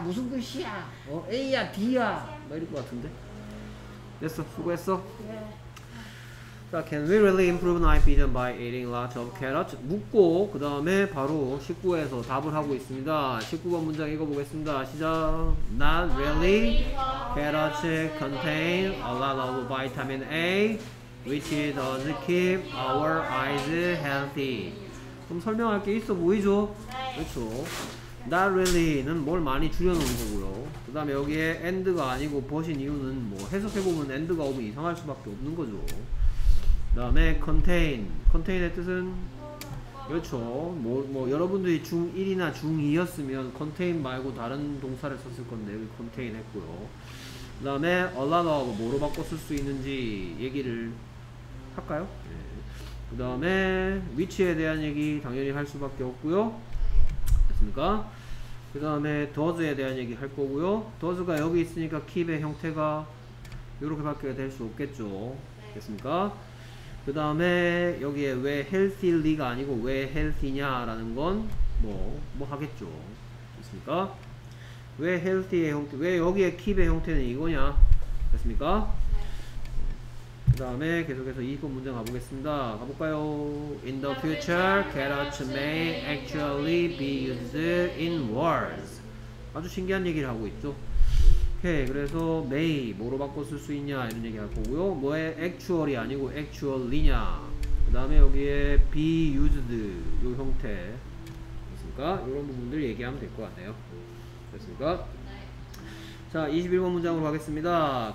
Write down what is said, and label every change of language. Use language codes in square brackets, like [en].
[ko] 무슨 글씨야? 어? A야? D야? 막 이럴 것 같은데? 됐어. 수고했어. 네. [en] 자, Can we really improve night vision by eating lots of carrots? [ko] 묻고 그 다음에 바로 19에서 답을 하고 있습니다. 19번 문장 읽어보겠습니다. [en] 시작. Not really. Carrots contain a lot of vitamin A, which does keep our eyes healthy. [ko] 그럼 설명할 게 있어 보이죠? 그렇죠. Not really는 뭘 많이 줄여놓은 거고요. 그 다음에 여기에 and가 아니고 but인 이유는 뭐 해석해보면 and가 오면 이상할 수밖에 없는 거죠. 그 다음에 contain. contain의 뜻은? 그렇죠. 뭐 여러분들이 중1이나 중2였으면 contain 말고 다른 동사를 썼을 건데 여기 contain 했고요. 그 다음에 a lot of 뭐로 바꿔 쓸 수 있는지 얘기를 할까요? 네. 그 다음에 which에 대한 얘기 당연히 할 수밖에 없고요. 그 다음에 does에 대한 얘기 할 거고요. does가 여기 있으니까 keep의 형태가 이렇게 밖에 될 수 없겠죠. 됐습니까? 그 다음에 여기에 왜 healthy가 아니고 왜 healthy냐라는 건 뭐 하겠죠. 됐습니까? 왜 healthy의 형태, 왜 여기에 keep의 형태는 이거냐. 됐습니까? 그 다음에 계속해서 20번 문장 가보겠습니다. 가볼까요? [en] In the future, carrots may actually be used in wars. [ko] 아주 신기한 얘기를 하고 있죠. 오케이, 그래서 may, 뭐로 바꿔 쓸 수 있냐 이런 얘기 할 거고요. 뭐에 actual이 아니고 actually냐. 그 다음에 여기에 be used, 요 형태. 됐습니까? 이런 부분들 얘기하면 될 것 같네요. 됐습니까? 자, 21번 문장으로 가겠습니다.